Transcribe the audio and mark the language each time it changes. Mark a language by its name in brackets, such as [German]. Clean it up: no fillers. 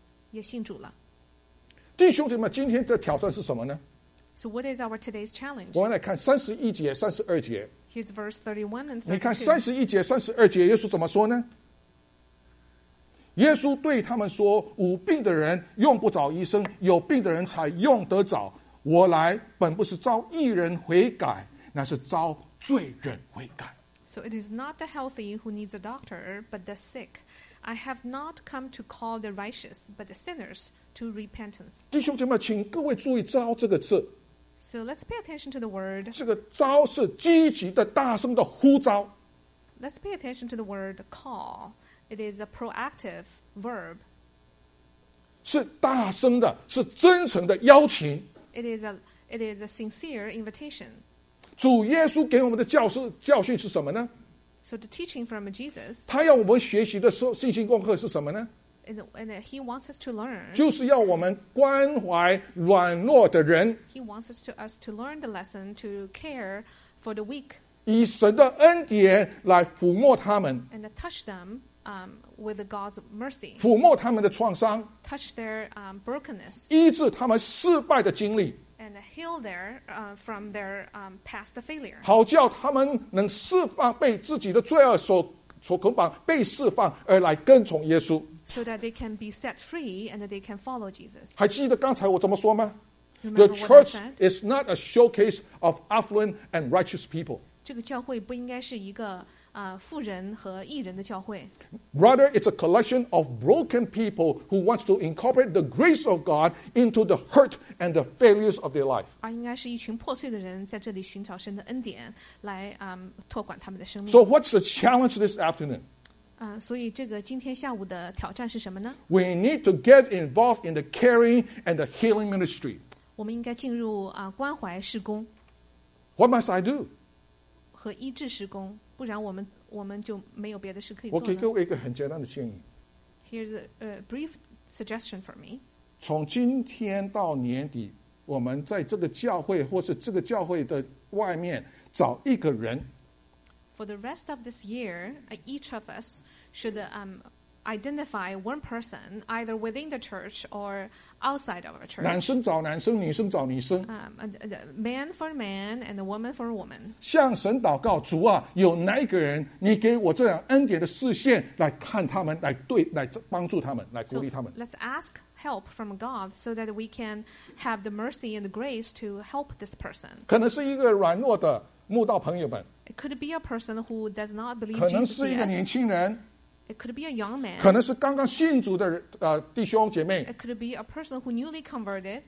[Chinese] 也信主了。弟兄姐妹，今天的挑战是什么呢？ [English] So what is our today's challenge? [Chinese] 我们来看三十一节、三十二节。 [English] Here's verse 31 and 32. [Chinese] 你看三十一节、三十二节，耶稣怎么说呢？耶稣对他们说：“无病的人用不着医生，有病的人才用得着。我来本不是召义人悔改，乃是召罪人悔改。” [English] So it is not the healthy who needs a doctor, but the sick. I have not come to call the righteous, but the sinners to repentance. [Chinese] 弟兄姐妹，请各位注意“召”这个字。 [English] So let's pay attention to the word. [Chinese] 这个“召”是积极的、大声的呼召。 [English] Let's pay attention to the word call. It is a proactive verb. [Chinese] 是大声的，是真诚的邀请。 [English] It is a sincere invitation. [Chinese] 主耶稣给我们的教训是什么呢？ [English] So the teaching from Jesus, [Chinese] 他要我们学习的信心功课是什么呢？ [English] And he wants us to learn, [Chinese] 就是要我们关怀软弱的人。 [English] He wants us to learn the lesson to care for the weak, [Chinese] 以神的恩典来抚摸他们。 [English] And touch them, with God's mercy, [Chinese] 抚摸他们的创伤。 [English] Touch their, brokenness, [Chinese] 医治他们失败的经历。 [English] And heal their from their past failure. [Chinese] 好叫他们能释放被自己的罪恶所捆绑，被释放而来跟从耶稣。 [English] So that they can be set free and they can follow Jesus. [Chinese] 还记得刚才我怎么说吗 [English] ？Remember the church is not a showcase of affluent and righteous people. [Chinese] 这个教会不应该是一个富人和义人的教会。 [English] Rather, it's a collection of broken people who wants to incorporate the grace of God into the hurt and the failures of their life. [Chinese] 而应该是一群破碎的人在这里寻找神的恩典来托管他们的生命。 [English] So what's the challenge this afternoon? [Chinese] 所以这个今天下午的挑战是什么呢？ [English] We need to get involved in the caring and the healing ministry. [Chinese] 我们应该进入关怀事工。 [English] What must I do? [Chinese] 和医治事工。不然我们就没有别的事可以做。我给各位一个很简单的建议。 [English] Here's a brief suggestion for me. [Chinese] 从今天到年底，我们在这个教会或是这个教会的外面找一个人。 [English] For the rest of this year, each of us should identify one person either within the church or outside of a church. [Chinese] 男生找男生，女生找女生。 [English] Man for man and a woman for a woman. [Chinese] 向神祷告，主啊，有哪一个人，你给我这样恩典的视线来看他们，来对，来帮助他们，来鼓励他们。 [English] So let's ask help from God so that we can have the mercy and the grace to help this person. [Chinese] 可能是一个软弱的。 [English] It could be a person who does not believe Jesus yet. [Chinese] 可能是一个年轻人。 [English] It could be a young man. [Chinese] 可能是刚刚信主的弟兄姐妹。 [English] It could be a person who newly converted.